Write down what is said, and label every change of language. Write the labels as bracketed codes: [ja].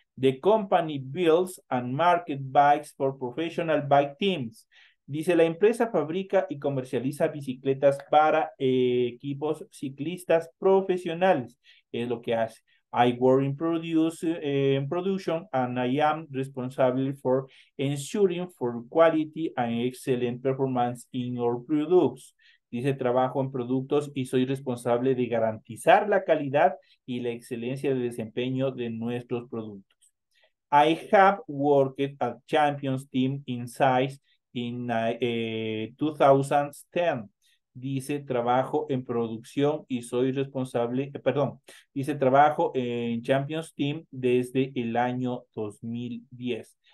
[en] The company builds and market bikes for professional bike teams. [es] Dice, la empresa fabrica y comercializa bicicletas para equipos ciclistas profesionales. Es lo que hace. [en] I work in production and I am responsible for ensuring for quality and excellent performance in our products. [es] Dice, trabajo en productos y soy responsable de garantizar la calidad y la excelencia de desempeño de nuestros productos. [en] I have worked at Champions Team Insights in 2010. [es] Dice, trabajo en producción y soy responsable, perdón, dice, trabajo en Champions Team desde el año 2010.